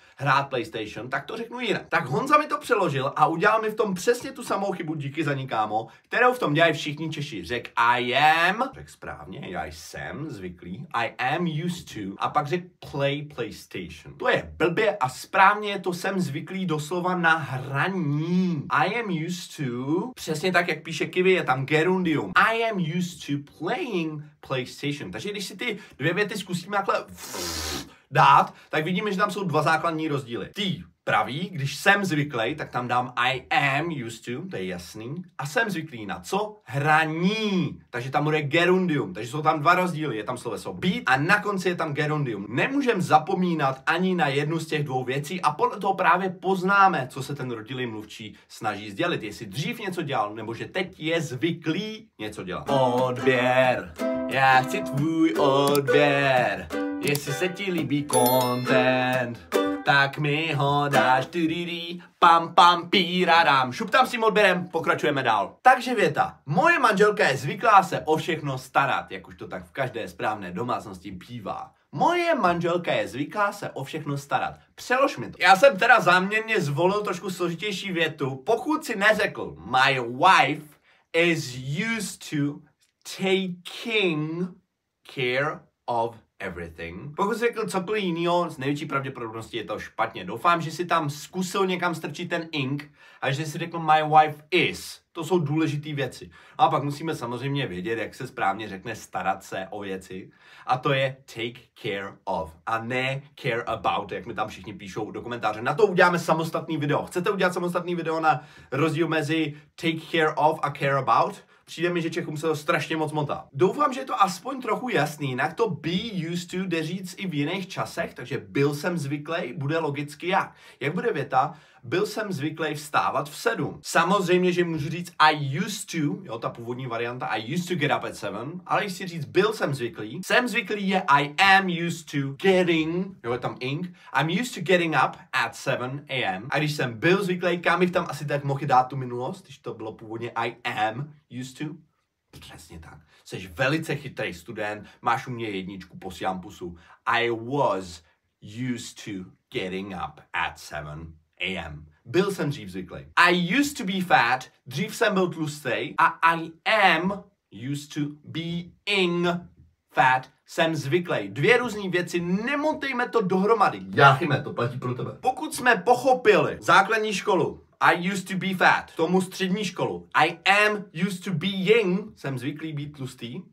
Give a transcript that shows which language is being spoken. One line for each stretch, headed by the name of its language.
Czech: hrát PlayStation, tak to řeknu jinak. Tak Honza mi to přeložil a udělal mi v tom přesně tu samou chybu, díky za ní, kámo, kterou v tom dělají všichni Češi. Řekl I am, řekl správně, já jsem zvyklý, I am used to, a pak řekl play PlayStation. To je blbě a správně to jsem zvyklý doslova na hraní. I am used to, přesně tak, jak píše Kiwi, je tam gerundium.
English: I am used to playing PlayStation.
Czech: Takže když si ty dvě věty zkusíme takhle dát, tak vidíme, že tam jsou dva základní rozdíly. Ty pravý, když jsem zvyklý, tak tam dám I am used to, to je jasný. A jsem zvyklý na co? Hraní. Takže tam bude gerundium. Takže jsou tam dva rozdíly. Je tam sloveso být a na konci je tam gerundium. Nemůžeme zapomínat ani na jednu z těch dvou věcí a podle toho právě poznáme, co se ten rodilý mluvčí snaží sdělit. Jestli dřív něco dělal, nebo že teď je zvyklý něco dělat. Odběr. Já chci tvůj odběr. Jestli se ti líbí content, tak mi ho dáš, tyrirí, pam pam píradám. Šuptám s tím odběrem, pokračujeme dál. Takže věta. Moje manželka je zvyklá se o všechno starat, jak už to tak v každé správné domácnosti bývá. Moje manželka je zvyklá se o všechno starat. Přelož mi to. Já jsem teda záměrně zvolil trošku složitější větu. Pokud si neřekl,
English: my wife is used to taking care of everything.
Czech: Pokud jsi řekl cokoliv jinýho, z největší pravděpodobnosti je to špatně. Doufám, že si tam zkusil někam strčit ten ink a že si řekl my wife is. To jsou důležitý věci. A pak musíme samozřejmě vědět, jak se správně řekne starat se o věci. A to je take care of a ne care about, jak mi tam všichni píšou do komentáře. Na to uděláme samostatný video. Chcete udělat samostatný video na rozdíl mezi take care of a care about? Přijde mi, že Čechům se to strašně moc motá. Doufám, že je to aspoň trochu jasný, jinak to be used to jde říct i v jiných časech, takže byl jsem zvyklý, bude logicky jak. Jak bude věta? Byl jsem zvyklý vstávat v 7. Samozřejmě, že můžu říct
English: I used to, jo, ta původní varianta, I used to get up at 7,
Czech: ale chci říct byl jsem zvyklý je I am used to getting, jo, je tam ink,
English: I'm used to getting up at 7 a.m.
Czech: A když jsem byl zvyklý, kam bych tam asi tak mohl dát tu minulost, když to bylo původně I am used to? Přesně tak. Jseš velice chytrý student, máš u mě jedničku, posílám pusu.
English: I was used to getting up at 7 a.m.
Czech: Byl jsem dřív zvyklý.
English: I used to be fat,
Czech: dřív jsem byl tlustý.
English: A I am used to being fat,
Czech: jsem zvyklý. Dvě různý věci, nemontejme to dohromady. Jáchyme, to platí pro tebe. Pokud jsme pochopili základní školu,
English: I used to be fat,
Czech: tomu střední školu,
English: I am used to being,
Czech: jsem zvyklý být tlustý.